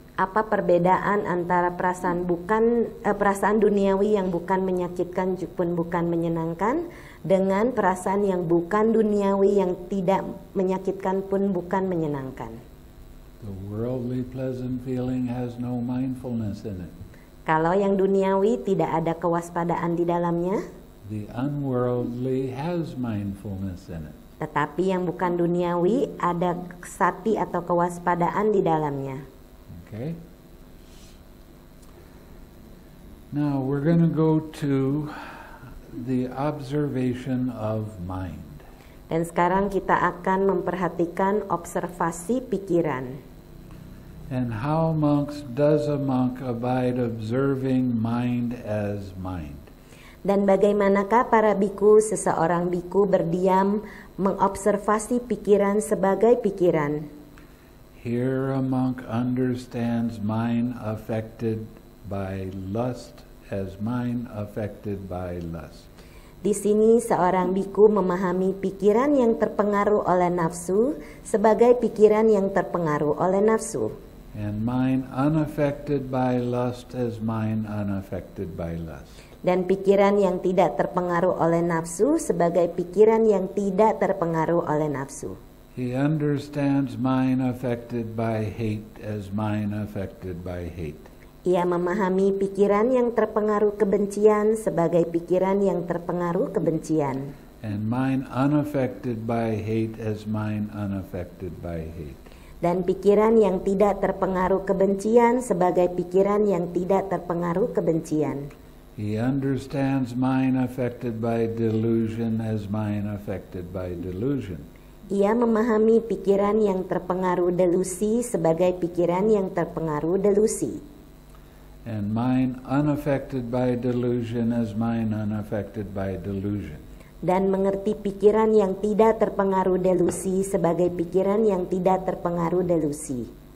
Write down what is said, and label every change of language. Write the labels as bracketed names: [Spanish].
[Indonesian] Apa perbedaan antara perasaan bukan perasaan duniawi yang bukan menyakitkan pun bukan menyenangkan dengan perasaan yang bukan duniawi yang tidak menyakitkan pun bukan menyenangkan? [English] The worldly pleasant feeling has no mindfulness in it. [Indonesian] Kalau yang duniawi tidak ada kewaspadaan di dalamnya. [English] The unworldly has mindfulness in it. [Indonesian] Tetapi yang bukan duniawi ada sati atau kewaspadaan di dalamnya. [English] Okay. Now we're going to go to the observation of mind. [Indonesian] Dan sekarang kita akan memperhatikan observasi pikiran. [English] And how monks does a monk abide observing mind as mind? [Indonesian] Dan bagaimanakah para bhikkhu, seseorang bhikkhu berdiam mengobservasi pikiran sebagai pikiran? [English] Here a monk understands mind affected by lust as mind affected by lust. [Indonesian] Di sini seorang bhikkhu memahami pikiran yang terpengaruh oleh nafsu sebagai pikiran yang terpengaruh oleh nafsu. [English] And mind unaffected by lust as mind unaffected by lust. [Indonesian] Dan pikiran yang tidak terpengaruh oleh nafsu sebagai pikiran yang tidak terpengaruh oleh nafsu. [English] He understands mind affected by hate as mind affected by hate. [Indonesian] Ia memahami pikiran yang terpengaruh kebencian sebagai pikiran yang terpengaruh kebencian. [English] And mind unaffected by hate as mind unaffected by hate. [Indonesian] Dan pikiran yang tidak terpengaruh kebencian sebagai pikiran yang tidak terpengaruh kebencian. [English] He understands mind affected by delusion as mind affected by delusion. [Indonesian] Ia memahami pikiran yang terpengaruh delusi sebagai pikiran yang terpengaruh delusi. [English] And mind unaffected by delusion as mind unaffected by delusion. [Indonesian] Dan mengerti pikiran yang tidak terpengaruh delusi sebagai pikiran yang tidak terpengaruh delusi.